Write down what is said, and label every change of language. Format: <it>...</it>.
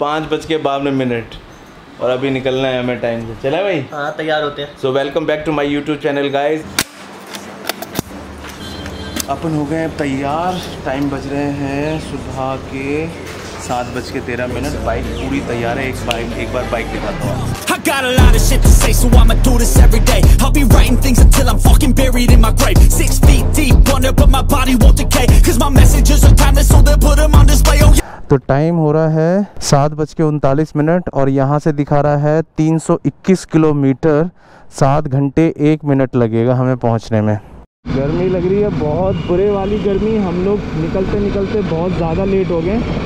<hi>5:52 और अभी निकलना है हमें टाइम से। चले भाई, हाँ तैयार होते हैं।</hi> <en>so welcome back to my YouTube channel guys,</en> <hi>अपन हो गए तैयार। टाइम बज रहे हैं सुबह के 7:13, बाइक पूरी तैयार है। एक बार बाइक दिखाता हूँ।</hi> <en>I got a lot of shit to say, so I'ma do this every day. I'll be writing things until I'm fucking buried in my grave. 6 feet deep, wonder, but my body won't decay. 'Cause my messages are timeless, so they'll put them on display. Oh yeah.</en> <hi>तो time हो रहा है 7:39 और यहाँ से दिखा रहा है 321 किलोमीटर, 7 घंटे 1 मिनट लगेगा हमें पहुँचने में। गर्मी लग रही है बहुत बुरे वाली गर्मी, हम लोग निकलते निकलते बहुत ज़्यादा लेट हो गए।</hi>